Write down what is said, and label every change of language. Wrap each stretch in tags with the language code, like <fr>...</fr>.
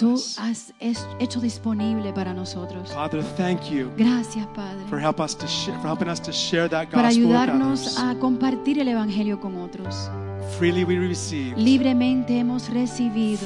<es>Tú has hecho disponible para nosotros.</es> <en>Father, thank you.</en> <es>Gracias, Padre.</es> <en>For help us to share, for helping us to share that gospel.</en> <es>Para ayudarnos a compartir el evangelio con otros.</es> <en>Freely we receive.</en> <es>Libremente hemos recibido.</es>